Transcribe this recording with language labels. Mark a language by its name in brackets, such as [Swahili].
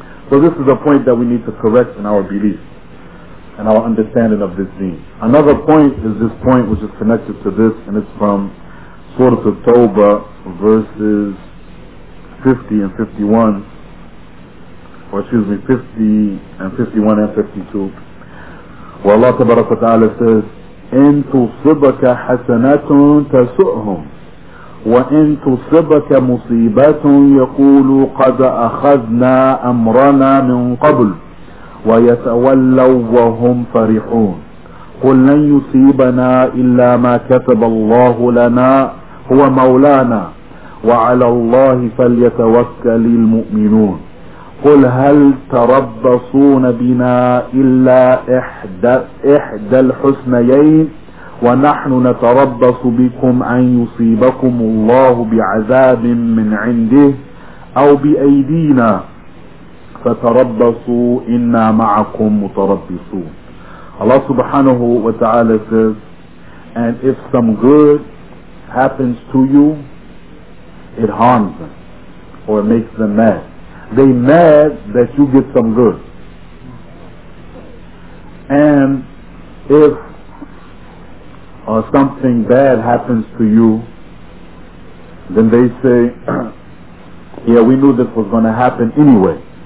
[English] So this is a point that we need to correct in our belief and our understanding of this deen. Another point is this point which is connected to this, and it's from Surah At-Tawbah, verses 50 and 51. Or excuse me, 50 and 51 and 52. Where Allah Ta'ala says, [Arabic] إِن تُصِبَكَ حَسَنَةٌ تَسُؤْهُمْ وَإِن تُصِبَكَ مُصِيبَةٌ يَقُولُوا قَدْ أَخَذْنَا أَمْرَنَا مِنْ قَبْلُ وَيَتَوَلَّوْا وَهُمْ فَرِحُونَ قُلْ لَنْ يُصِيبَنَا إِلَّا مَا كَتَبَ اللَّهُ لَنَا هُوَ مَوْلَانَا وَعَلَى اللَّهِ فَلْيَتَوَكَّلِ الْمُؤْمِنُونَ قل هل تربصون بنا إلا إحدى الحسنيين ونحن نتربص بكم أن يصيبكم الله بعذاب من عنده أو بأيدينا فتربصوا إنا معكم متربصون. [English] Allah subhanahu wa ta'ala says, and if some good happens to you, it harms them or makes them mad. They mad that you get some good. And if something bad happens to you, then they say, yeah, we knew this was going to happen anyway.